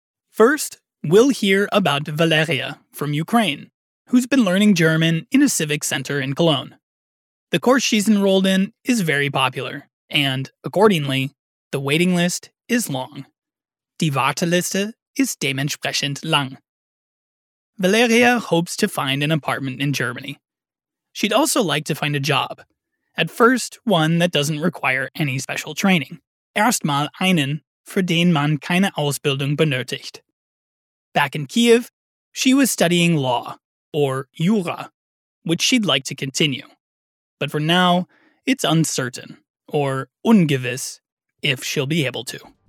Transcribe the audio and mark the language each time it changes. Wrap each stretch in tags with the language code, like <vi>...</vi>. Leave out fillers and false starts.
<en>First, we'll hear about Valeria from Ukraine, who's been learning German in a civic center in Cologne. The course she's enrolled in is very popular, and accordingly, the waiting list is long.</en> <de>Die Warteliste ist dementsprechend lang.</de> <en>Valeria hopes to find an apartment in Germany. She'd also like to find a job. At first, one that doesn't require any special training.</en> <de>Erstmal einen, für den man keine Ausbildung benötigt.</de> <en>Back in Kiev, she was studying law, or Jura, which she'd like to continue. But for now, it's uncertain, or ungewiss, if she'll be able to.</en>